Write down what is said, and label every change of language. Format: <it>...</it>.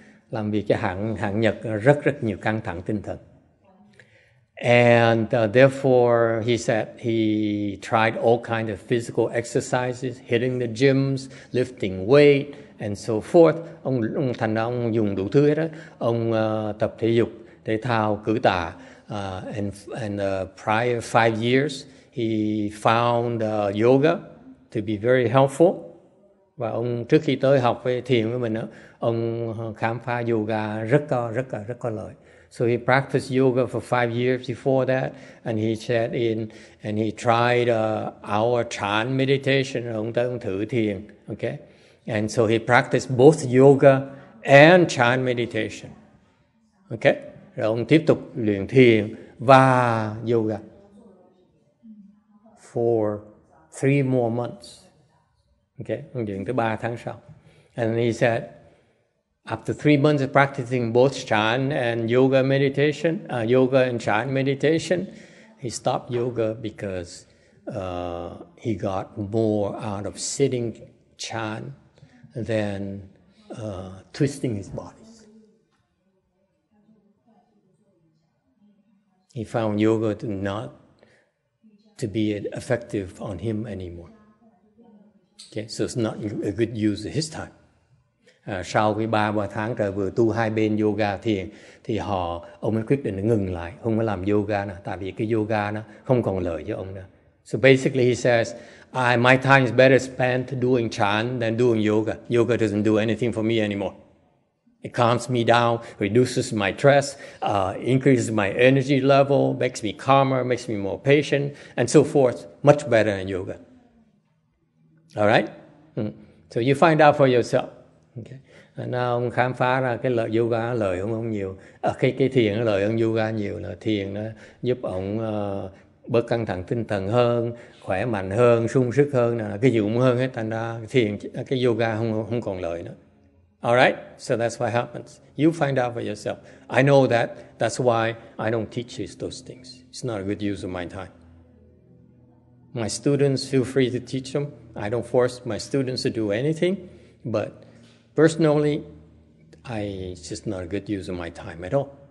<vi>Làm việc cái hãng Nhật rất rất nhiều căng thẳng tinh thần.</vi> <en>And therefore, he said he tried all kinds of physical exercises, hitting the gyms, lifting weight, and so forth.</en> <vi>Ông thành ra ông dùng đủ thứ hết á. Ông tập thể dục, thể thao, cử tạ.</vi> <en>And prior 5 years, he found yoga to be very helpful.</en> <vi>Và ông trước khi tới học về thiền với mình á, ông khám phá yoga rất có lợi.</vi> <en>So he practiced yoga for 5 years before that, and he said in, and he tried our chan meditation.</en> <vi>Ông tới ông thử thiền, okay?</vi> <en>And so he practiced both yoga and chan meditation, okay?</en> <vi>Rồi ông tiếp tục luyện thiền và yoga</vi> <en>for 3 more months, okay?</en> <vi>Ông luyện tới 3 tháng sau,</vi> <en>and he said, after 3 months of practicing both chan and yoga meditation, yoga and chan meditation, he stopped yoga because he got more out of sitting chan than twisting his body. He found yoga not to be effective on him anymore. Okay, so it's not a good use of his time.</en> <vi>Sau khi 3 tháng trời vừa tu hai bên yoga thiền thì ông ấy quyết định ngừng lại, không có làm yoga nữa, tại vì cái yoga nó không còn lợi cho ông nữa.</vi> <en>So basically he says, my time is better spent doing chan than doing yoga. Yoga doesn't do anything for me anymore. It calms me down, reduces my stress, increases my energy level, makes me calmer, makes me more patient, and so forth. Much better than yoga. All right? So you find out for yourself. Okay.</en> <vi>Nó ông khám phá ra cái lợi yoga lợi hơn ông nhiều, cái thiền lợi hơn yoga nhiều, là thiền nó giúp ông bớt căng thẳng tinh thần hơn, khỏe mạnh hơn, sung sức hơn, là cái dụng hơn hết, thành ra thiền cái yoga không còn lợi nữa.</vi> <en>All right, so that's what happens. You find out for yourself. I know that. That's why I don't teach you those things. It's not a good use of my time. My students feel free to teach them. I don't force my students to do anything, but personally, it's just not a good use of my time at all.</en>